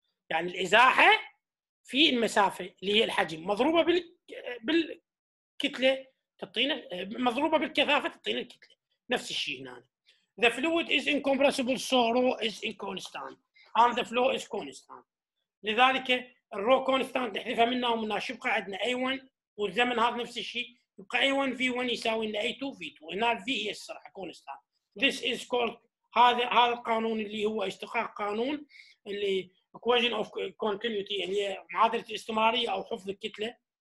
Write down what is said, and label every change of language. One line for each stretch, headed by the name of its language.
Arabic: يعني الإزاحة في المسافة اللي هي الحجم مضروبة بالكتلة تعطينا, مضروبة بالكثافة تعطينا الكتلة. نفس الشيء هنا.
English: The fluid is incompressible, so rho is inconstant and the flow is constant.
Arabic: لذلك الرو constant نحذفها منا ومنا, شو يبقى عندنا A1 والزمن هذا نفس الشيء, يبقى A1 V1 يساوي لنا A2 V2. هنا V هي السرعة constant.
English: This is called
Arabic: هذا القانون اللي هو اشتقاق قانون اللي equation of continuity اللي هي معادلة الاستمرارية أو حفظ الكتلة.